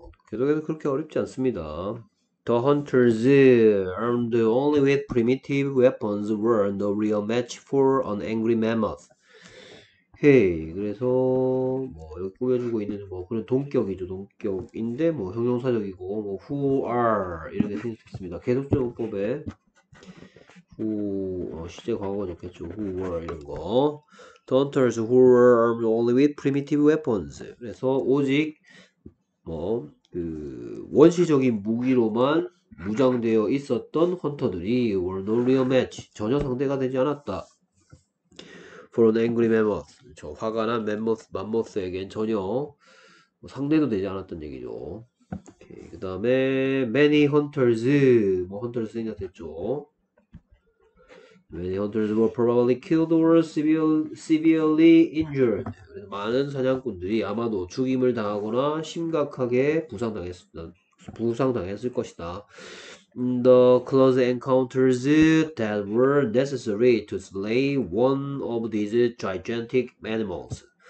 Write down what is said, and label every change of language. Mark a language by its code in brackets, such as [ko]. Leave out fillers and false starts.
[ko] 계속해서 그렇게 어렵지 않습니다. [en] The hunters armed only with primitive weapons were no real match for an angry mammoth. [ko] 그래서 뭐 여기 꾸며주고 있는 뭐 그런 동격이죠. 동격인데 뭐 형용사적이고 뭐 [en] who are [ko] 이런 게 쓰일 수 있습니다. 계속적용법에 시제 과거 적겠죠. [en] Who were [ko] 이런 거. [en] The hunters who were armed only with primitive weapons. [ko] 그래서 오직 뭐그 원시적인 무기로만 무장되어 있었던 헌터들이 [en] were no real match. [ko] 전혀 상대가 되지 않았다. [en] For an angry mammoth. [ko] 저 화가 난 맘모스에겐 전혀 상대도 되지 않았던 얘기죠. 그 다음에 [en] many hunters. [ko] 뭐 hunters 쓰니까 됐죠. [en] Many hunters were probably killed or severely injured. [ko] 많은 사냥꾼들이 아마도 죽임을 당하거나 심각하게 부상당했을 것이다. [en] In the close encounters that were necessary to slay one of these gigantic animals.